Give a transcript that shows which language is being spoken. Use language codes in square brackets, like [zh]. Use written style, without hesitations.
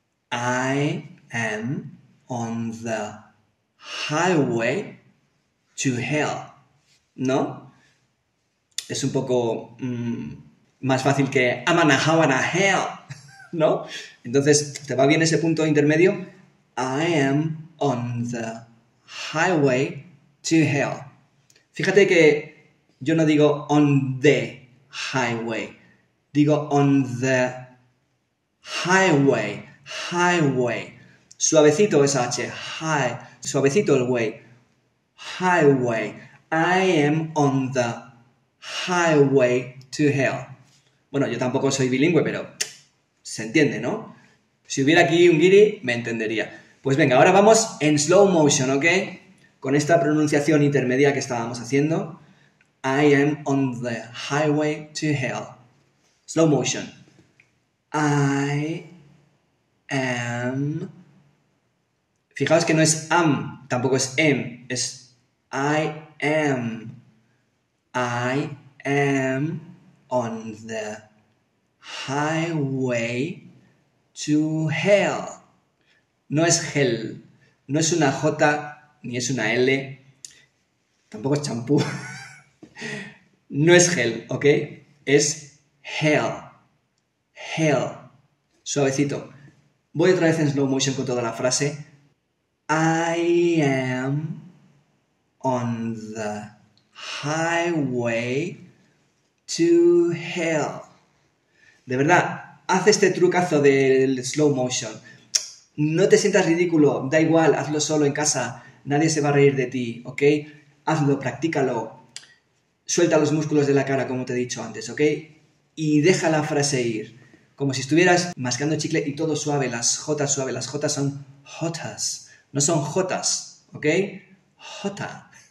[en] I am on the highway to hell. [es] ¿No? Es un poco más fácil que [en] I'm on a highway to hell. [es] ¿No? Entonces, ¿te va bien ese punto intermedio? [en] I am on the highway to hell. [es] Fíjate que yo no digo on the highway. Digo on the highway, highway. Suavecito esa H. High, suavecito el way. Highway. [en] I am on the highway to hell. [es] Bueno, yo tampoco soy bilingüe, pero se entiende, ¿no? Si hubiera aquí un guiri, me entendería. Pues venga, ahora vamos en slow motion, ¿ok? Con esta pronunciación intermedia que estábamos haciendo. [en] I am on the highway to hell. Slow motion. I am... [es] Fijaos que no es am, tampoco es am, es I am. [en] I am on the highway to hell. [es] No es hell, no es una J, ni es una L, tampoco es champú. No es hell, ¿ok? Es hell. Hell. Suavecito. Voy otra vez en slow motion con toda la frase. [en] I am on the highway to hell. [es] De verdad, haz este trucazo del slow motion. No te sientas ridículo, da igual, hazlo solo en casa. Nadie se va a reír de ti, ¿ok? Hazlo, practícalo. Suelta los músculos de la cara, como te he dicho antes, ¿ok? Y deja la frase ir. Como si estuvieras mascando chicle y todo suave, las J suave, las J son jotas, no son jotas, ¿ok? Jota.